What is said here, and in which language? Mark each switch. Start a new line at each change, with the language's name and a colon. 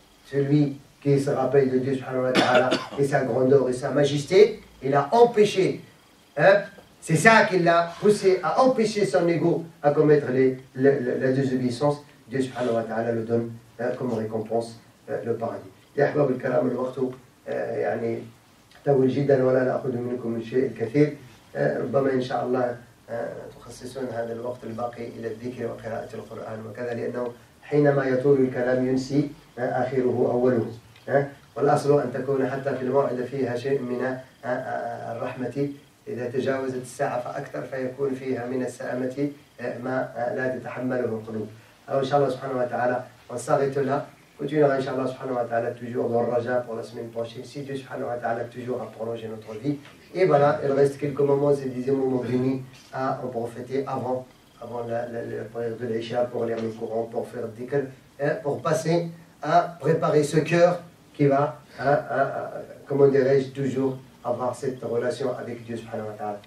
French: Celui qui se rappelle de Dieu subhanahu wa ta'ala et sa grandeur et sa majesté, il a empêché, c'est ça qui l'a poussé à empêcher son ego à commettre la désobéissance. Dieu subhanahu wa ta'ala le donne comme récompense le paradis.
Arabic: يا أحباب الكرام، الوقت يعني طويل جدا، ولا أخذ منكم الشيء الكثير. ربما إن شاء الله تخصصون هذا الوقت الباقي إلى الذكر وقراءة القرآن وكذا، لأنه حينما يطول الكلام ينسي آخره أوله. والأصل أن تكون حتى في الموعد فيها شيء من الرحمة، إذا تجاوزت الساعة فأكثر فيكون فيها من السأمة ما لا تتحمله القلوب. أو إن شاء الله سبحانه وتعالى وصغت لها.
French: Continuera inshallah subhanahu wa ta'ala toujours dans le Raja pour la semaine prochaine, si Dieu subhanahu wa ta'ala toujours à prolonger notre vie. Et voilà, il reste quelques moments, c'est des moments d'unis à en profiter avant la prière de l'Isha, pour lire le Coran, pour faire dhikr, pour passer à préparer ce cœur qui va, comment dirais-je, toujours avoir cette relation avec Dieu subhanahu wa ta'ala.